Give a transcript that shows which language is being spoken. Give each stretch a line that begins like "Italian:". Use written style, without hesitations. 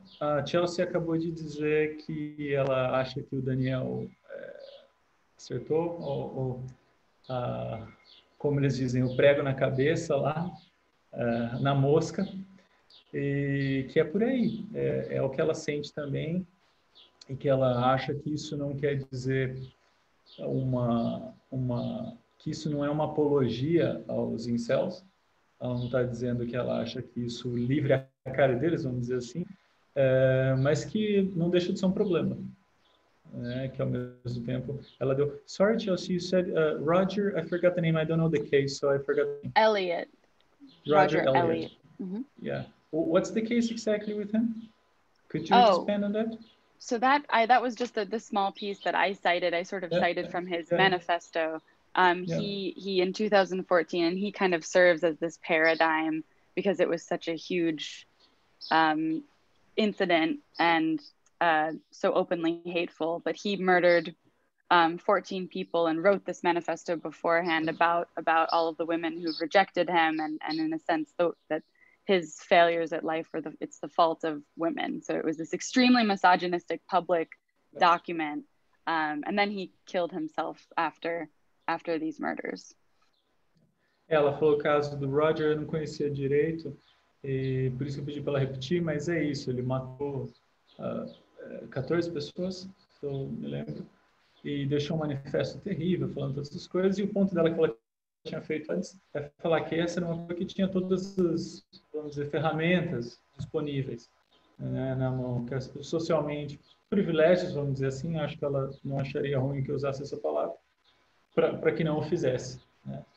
Portuguese: A Chelsea acabou de dizer que ela acha que o Daniel acertou, como eles dizem, o prego na cabeça lá, na mosca, e que é por aí, é o que ela sente também, e que ela acha que isso não quer dizer que isso não é uma apologia aos incels. Ela não está dizendo que ela acha que isso livre a cara deles, vamos dizer assim, mas que não deixa de ser um problema, né? Que ao mesmo tempo ela deu...
English: Sorry, Chelsea, you said Roger, I forgot the name, I don't know the case, so I forgot the name. Elliot. Roger Elliot. Mm-hmm. Yeah. Well, what's the case exactly with him? Could you expand on that? So that was just the small piece that I cited. I sort of cited from his manifesto. He in 2014, and he kind of serves as this paradigm because it was such a huge incident and so openly hateful. But he murdered 14 people and wrote this manifesto beforehand about all of the women who rejected him, and in a sense that his failures at life were it's the fault of women. So it was this extremely misogynistic public document. And then he killed himself after these murders.
Portuguese: Ela falou o caso do Roger, eu não conhecia direito, e por isso que eu pedi para ela repetir, mas é isso, ele matou 14 pessoas, se eu me lembro, e deixou um manifesto terrível falando todas essas coisas, e o ponto dela que ela tinha feito antes é falar que essa era uma coisa que tinha todas as, vamos dizer, ferramentas disponíveis, né, na mão, que as pessoas socialmente, privilégios, vamos dizer assim, acho que ela não acharia ruim que eu usasse essa palavra, para que não o fizesse, né?